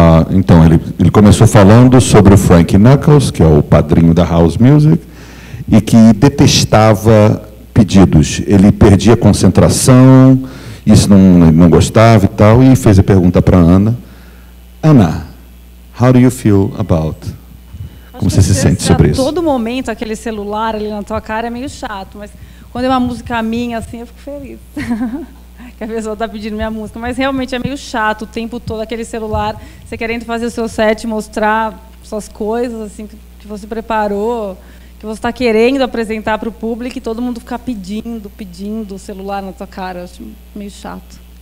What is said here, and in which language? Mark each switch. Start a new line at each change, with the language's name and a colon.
Portuguese: Então, ele começou falando sobre o Frank Knuckles, que é o padrinho da House Music, e que detestava pedidos. Ele perdia concentração, isso não gostava e tal, e fez a pergunta para a Ana.
English: Ana, how do you feel about...
Portuguese: Como você se sente sobre isso? A todo momento, aquele celular ali na tua cara é meio chato, mas quando é uma música minha, assim, eu fico feliz. A pessoa está pedindo minha música, mas realmente é meio chato o tempo todo aquele celular, você querendo fazer o seu set, mostrar suas coisas, assim, que você preparou, que você está querendo apresentar para o público e todo mundo ficar pedindo o celular na sua cara. Eu acho meio chato.